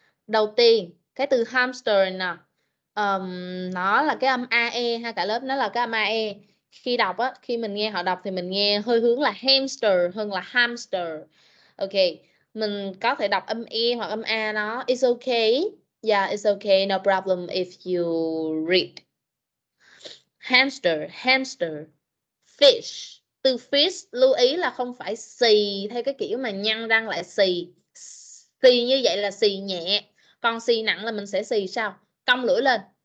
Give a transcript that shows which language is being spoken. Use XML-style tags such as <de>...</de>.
<vi>Đầu tiên, cái từ hamster nè. Nó là cái âm AE ha, cả lớp nó là cái âm AE. Khi đọc á, khi mình nghe họ đọc thì mình nghe hơi hướng là hamster hơn là hamster. Ok, mình có thể đọc âm E hoặc âm A nó.</vi> <en>It's okay. Yeah, it's okay, no problem if you read. Hamster, hamster. Fish.</en> <vi>Từ fish lưu ý là không phải xì theo cái kiểu mà nhăn răng lại xì. Xì như vậy là xì nhẹ. Còn xì nặng là mình sẽ xì sao? Cong lưỡi lên.</vi>